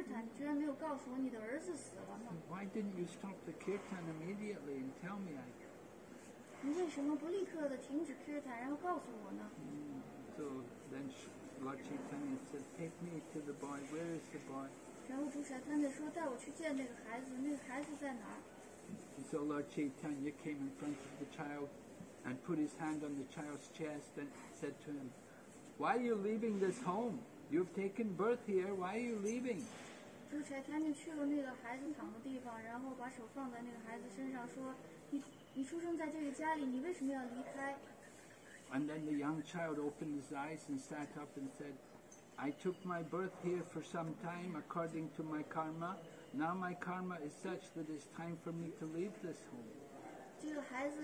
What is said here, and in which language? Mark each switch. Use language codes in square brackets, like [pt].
[zh] 主持人非常的震惊。他说，你的儿子死了，你居然没有告诉我。你居然让我夜都在做kirtan，你居然没有告诉我你的儿子死了吗？ [en] Why didn't you stop the kirtan immediately and tell me? [zh] 你为什么不立刻的停止kirtan，然后告诉我呢？ [en] So then Lord Chaitanya said, "Take me to the boy. Where is the boy?" [zh] 然后主舍他们说带我去见那个孩子，那个孩子在哪儿？ [en] So Lord Chaitanya came in front of the child and put his hand on the child's chest and said to him, "Why are you leaving this home? You've taken birth here. Why are you leaving?" [zh] 主舍他们去了那个孩子躺的地方，然后把手放在那个孩子身上，说，你出生在这个家里，你为什么要离开？ [en] And then the young child opened his eyes and sat up and said, "I took my birth here for some time according to my karma. Now my karma is such that it's time for me to leave this home."